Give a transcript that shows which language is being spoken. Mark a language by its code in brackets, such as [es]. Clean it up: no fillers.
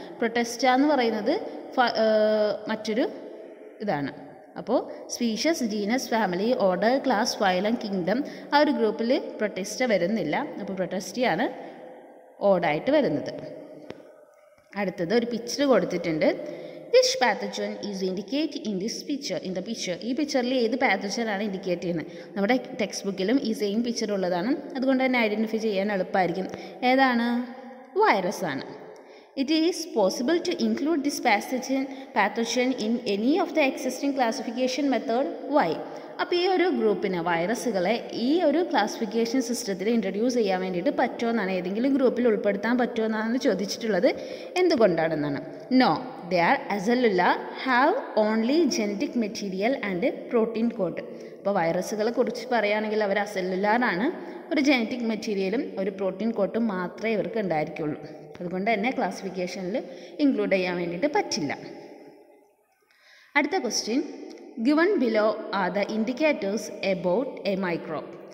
[ml] Protista എന്ന് പറയുന്നത് മറ്റൊരു ഇതാണ്. അപ്പോൾ species, genus, family, order, class, phylum, kingdom, ആ ഒരു ഗ്രൂപ്പിൽ പ്രൊട്ടിസ്റ്റ വരുന്നില്ല. അപ്പോൾ പ്രൊട്ടിസ്റ്റയാണ് ഓഡായിട്ട് വരുന്നത്. അടുത്തത് ഒരു പിക്ചർ കൊടുത്തിട്ടുണ്ട്. [en] This pathogen is indicated in this picture. In the picture, [ml] ഈ പിക്ചറിൽ ഏത് പാത്തജനാണ് ഇൻഡിക്കേറ്റ് ചെയ്യുന്നത്? നമ്മുടെ ടെക്സ്റ്റ് ബുക്കിലും ഈ സെയിം പിക്ചർ ഉള്ളതാണ്. അതുകൊണ്ട് തന്നെ ഐഡൻറ്റിഫൈ ചെയ്യാൻ എളുപ്പമായിരിക്കും. ഏതാണ്? വൈറസ് ആണ്. [en] It is possible to include this pathogen in any of the existing classification method. Why? [ml] അപ്പോൾ ഈ ഒരു ഗ്രൂപ്പിന്, വൈറസുകളെ ഈ ഒരു ക്ലാസിഫിക്കേഷൻ സിസ്റ്റത്തിൽ ഇൻട്രൊഡ്യൂസ് ചെയ്യാൻ വേണ്ടിയിട്ട് പറ്റുമെന്നാണ്, ഏതെങ്കിലും ഗ്രൂപ്പിൽ ഉൾപ്പെടുത്താൻ പറ്റുമെന്നാണ് ചോദിച്ചിട്ടുള്ളത്. എന്തുകൊണ്ടാണെന്നാണ്? [en] No, the are acellular have only genetic material and protein coat. [ml] അപ്പോൾ വൈറസുകളെ കുറിച്ച് പറയുകയാണെങ്കിൽ അവർ അസല്ലുല്ലാറാണ്. ഒരു ജനറ്റിക് മെറ്റീരിയലും ഒരു പ്രോട്ടീൻ കോട്ടും മാത്രമേ ഇവർക്ക് ഉണ്ടായിരിക്കുള്ളൂ. അതുകൊണ്ട് തന്നെ ക്ലാസിഫിക്കേഷനിൽ ഇൻക്ലൂഡ് ചെയ്യാൻ വേണ്ടിയിട്ട് പറ്റില്ല. അടുത്ത question, [en] Given below are the indicators about a microbe.